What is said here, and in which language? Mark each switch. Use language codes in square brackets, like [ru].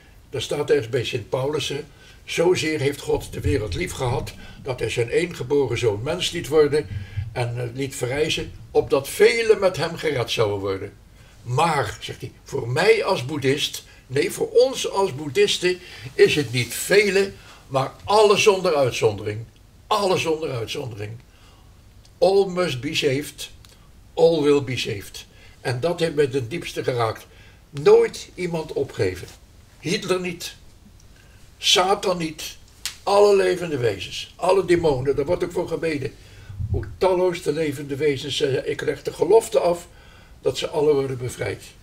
[nl] Daar staat ergens bij Sint Paulussen: zozeer heeft God de wereld lief gehad dat hij zijn één geboren zoon mens liet worden en liet verrijzen, opdat velen met hem gered zouden worden. Maar, zegt hij, voor mij als boeddhist, nee, voor ons als boeddhisten is het niet velen, maar alle zonder uitzondering. Alle zonder uitzondering. [en] All must be saved, all will be saved. [nl] En dat heeft mij ten diepste geraakt. Nooit iemand opgeven. Hitler niet, Satan niet, alle levende wezens, alle demonen, daar wordt ook voor gebeden. Hoe talloos de levende wezens zijn, ik leg de gelofte af dat ze alle worden bevrijd.